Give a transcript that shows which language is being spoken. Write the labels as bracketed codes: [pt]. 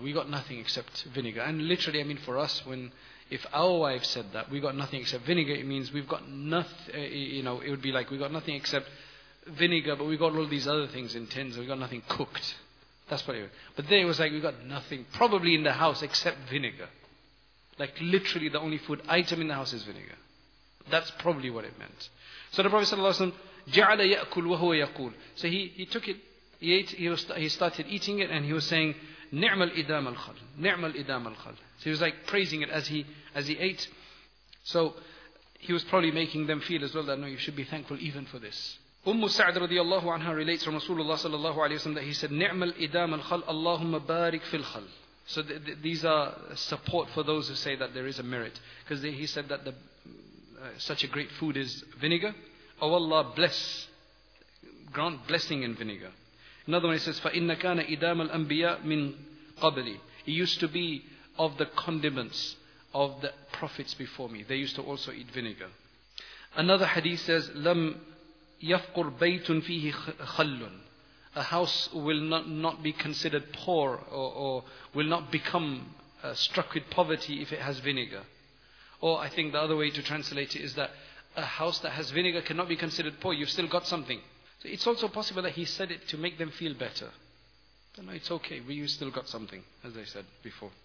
[en] We got nothing except vinegar. And literally, I mean, for us, when if our wife said that, we got nothing except vinegar, it means we've got nothing, you know, it would be like, we got nothing except vinegar, but we got all these other things in tins, and we got nothing cooked. That's what it was. But then it was like, we got nothing, probably in the house, except vinegar. Like, literally, the only food item in the house is vinegar. That's probably what it meant. So the Prophet ﷺ, [ar] جَعَلَ يَأْكُلْ وَهُوَ يَقُولُ. [en] So he took it, he started eating it, and he was saying, [ar] نِعْمَ الْإِدَامَ الْخَلْ نِعْمَ الْإِدَامَ الْخَلْ. [en] So he was like praising it as he ate. So he was probably making them feel as well that no, you should be thankful even for this. Umm Sa'd radiallahu anha relates from Rasulullah sallallahu alayhi wa sallam that he said, [ar] نِعْمَ الْإِدَامَ الْخَلْ اللَّهُمَّ بَارِكْ فِي الْخَلْ. [en] So these are support for those who say that there is a merit. Because he said that such a great food is vinegar. Oh Allah, bless. Grant blessing in vinegar. Another one, he says, [ar] فَإِنَّ كَانَ إِدَامَ الْأَنْبِيَاءِ مِنْ قَبْلِ. [en] It used to be of the condiments of the prophets before me. They used to also eat vinegar. Another hadith says, [ar] لَمْ يَفْقُرْ بَيْتٌ فِيهِ خَلٌّ. [en] A house will not be considered poor or will not become struck with poverty if it has vinegar. Or I think the other way to translate it is that a house that has vinegar cannot be considered poor. You've still got something. It's also possible that he said it to make them feel better. Then it's okay, we still got something, as I said before.